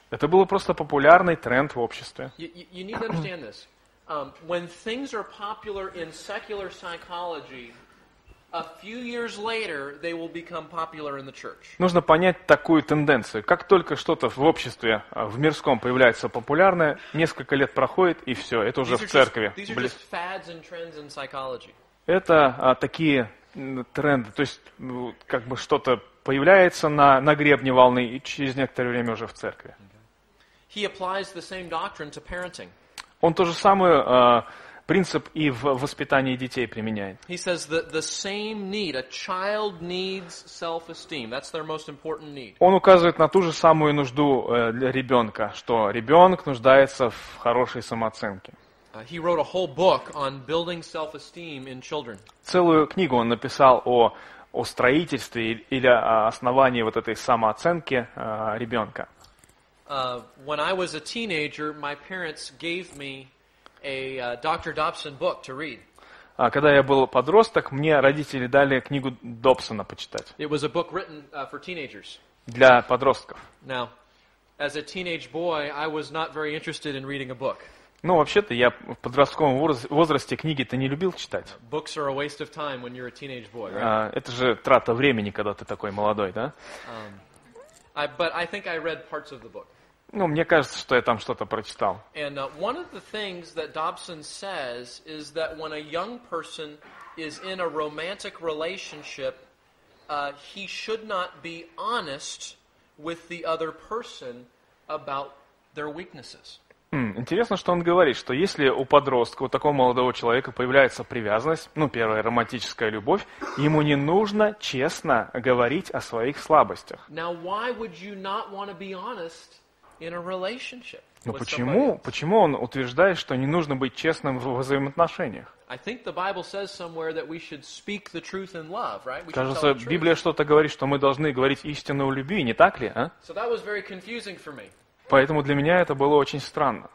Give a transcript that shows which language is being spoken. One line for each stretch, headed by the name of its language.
Russian: Это было просто популярный тренд в обществе.
English: You need to understand this. When things are popular in secular psychology, a few years later, they will become popular in the church.
Russian: Нужно понять такую тенденцию. Как только что-то в обществе, в мирском появляется популярное, несколько лет проходит, и все, это уже в церкви.
English: These are just fads and trends in psychology.
Russian: Это такие тренды. То есть, как бы что-то появляется на гребне волны, и через некоторое время уже в церкви.
English: Okay. He applies the same doctrine to parenting.
Russian: Он то же самое принцип и в воспитании детей применяет.
English: He says the same need, a child needs self-esteem. That's their most important need.
Russian: Он указывает на ту же самую нужду для ребенка, что ребенок нуждается в хорошей самооценке.
English: He wrote a whole book on building self-esteem in children.
Russian: Целую книгу он написал о строительстве или основании вот этой самооценки ребенка.
English: When I was a teenager, my parents gave me a Dr. Dobson book to read.
Russian: Когда я был подросток, мне родители дали книгу Добсона почитать.
English: It was a book written for teenagers.
Russian: Для подростков.
English: Now, as a teenage boy, I was not very interested in reading a book.
Russian: Ну, вообще-то, я в подростковом возрасте книги-то не любил читать.
English: Books are a waste of time when you're a teenage boy, right?
Russian: Это же трата времени, когда ты такой молодой, да?
English: But I think I read parts of the book.
Russian: Ну, мне кажется, что я там что-то прочитал.
English: And one of the things that Dobson says is that when a young person is in a romantic relationship, he should not be honest with the other person about their weaknesses.
Russian: Интересно, что он говорит, что если у подростка, у такого молодого человека появляется привязанность, ну, первая романтическая любовь, ему не нужно честно говорить о своих слабостях.
English: Now, why would you not want to be honest in a relationship?
Russian: Но почему он утверждает, что не нужно быть честным в взаимоотношениях?
English: I think the Bible says somewhere that we should speak the truth in love, right? We
Russian: Кажется,
English: should tell the
Russian: Библия
English: truth.
Russian: Что-то говорит, что мы должны говорить истину в любви, не так ли, а?
English: So that was very confusing for me.
Russian: Поэтому для меня это было очень странно.